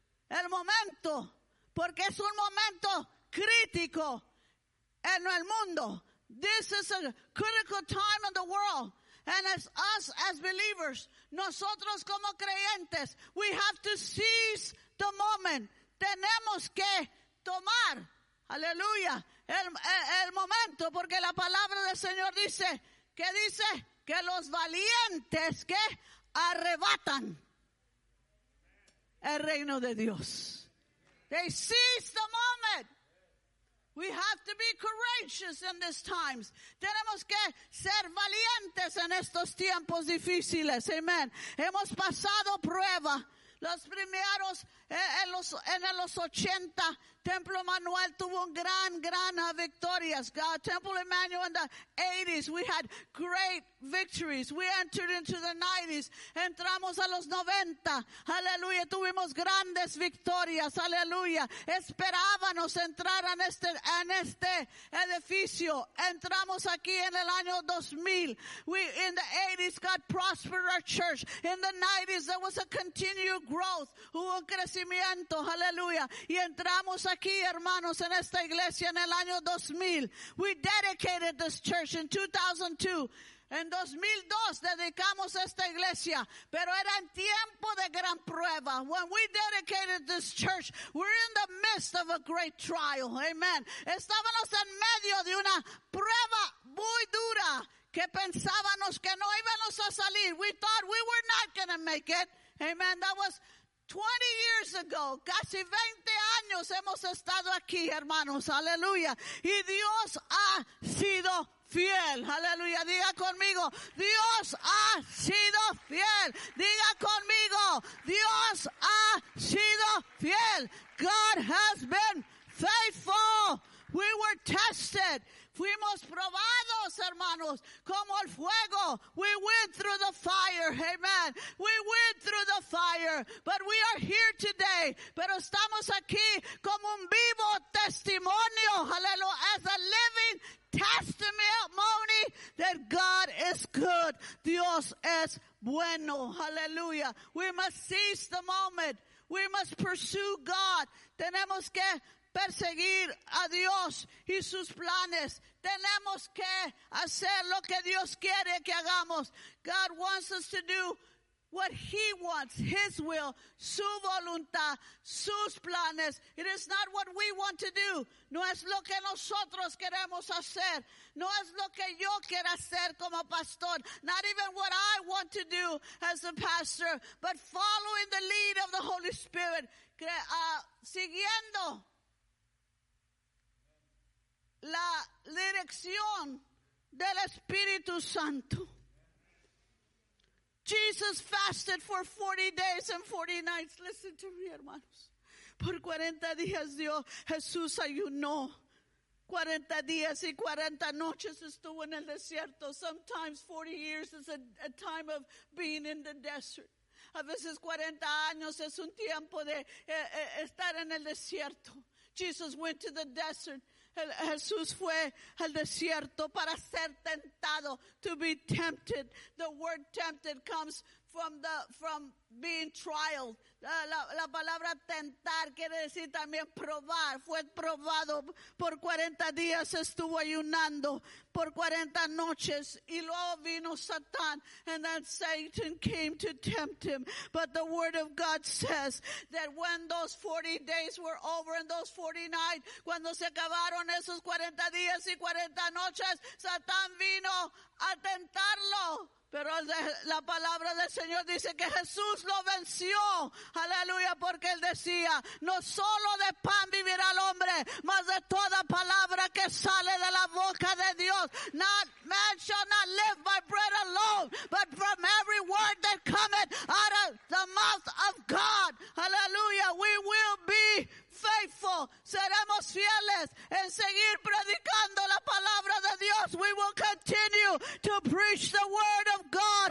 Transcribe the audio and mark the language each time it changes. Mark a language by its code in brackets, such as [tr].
[es] El momento, porque es un momento crítico en el mundo. [en] This is a critical time in the world. And as us as believers, [es] nosotros como creyentes, [en] we have to seize the moment. [es] Tenemos que tomar, aleluya, el momento, porque la palabra del Señor dice, ¿qué dice? Que los valientes que arrebatan el reino de Dios. [en] They seize the moment. We have to be courageous in these times. [es] Tenemos que ser valientes en estos tiempos difíciles. Amen. Hemos pasado prueba. Los primeros en los 80, Templo Emmanuel tuvo un gran victorias. [en] Temple Emmanuel in the 80s, we had great victories. We entered into the 90s. [es] Entramos a los 90. Aleluya. Tuvimos grandes victorias. Aleluya. Esperábamos entrar en este edificio. Entramos aquí en el año 2000. [en] We, in the 80s, God prospered our church. In the 90s, there was a continued growth. [es] Hubo crecimiento. Aleluya. Y entramos aquí, hermanos, en esta iglesia en el año 2000. [en] We dedicated this church in 2002. [es] En 2002 dedicamos esta iglesia, pero era en tiempo de gran prueba. [en] When we dedicated this church, we're in the midst of a great trial. Amen. [es] Estábamos en medio de una prueba muy dura que pensábamos que no íbamos a salir. [en] We thought we were not going to make it. Amen. That was 20 years ago, [es] casi 20 años hemos estado aquí, hermanos. Aleluya. Y Dios ha sido fiel. Aleluya. Diga conmigo, Dios ha sido fiel. Diga conmigo, Dios ha sido fiel. [en] God has been faithful. We were tested. [es] Fuimos probados, hermanos, como el fuego. [en] We went through the fire, amen. We went through the fire, but we are here today. [es] Pero estamos aquí como un vivo testimonio, aleluya, [en] as a living testimony that God is good. [es] Dios es bueno, aleluya. [en] We must seize the moment. We must pursue God. [es] Tenemos que perseguir a Dios y sus planes. Tenemos que hacer lo que Dios quiere que hagamos. [en] God wants us to do what He wants, His will, [es] su voluntad, sus planes. [en] It is not what we want to do. [es] No es lo que nosotros queremos hacer. No es lo que yo quiero hacer como pastor. [en] Not even what I want to do as a pastor, but following the lead of the Holy Spirit, [es] siguiendo la dirección del Espíritu Santo. [en] Jesus fasted for 40 days and 40 nights. Listen to me, hermanos. [es] Por 40 días Dios, Jesús ayunó. 40 días y 40 noches estuvo en el desierto. [en] Sometimes 40 years is a time of being in the desert. [es] A veces 40 años es un tiempo de estar en el desierto. [en] Jesus went to the desert. [es] Jesús fue al desierto para ser tentado, [en] to be tempted. The word tempted comes from being trialed. [es] La palabra tentar quiere decir también probar. Fue probado por 40 días, estuvo ayunando por 40 noches, y luego vino Satan, [en] and then Satan came to tempt him. But the word of God says that when those 40 days were over and those 40 nights, [es] cuando se acabaron esos 40 días y 40 noches, [en] Satan [es] vino a tentarlo. Pero la palabra del Señor dice que Jesús lo venció, aleluya, porque él decía, no solo de pan vivirá el hombre, mas de toda palabra que sale de la boca de Dios. [en] Not man shall not live by bread alone, but from every word that cometh out of the mouth of God. Aleluya, we will be faithful. [es] Seremos fieles en seguir predicando la palabra de Dios. [en] We will continue to preach the word of God.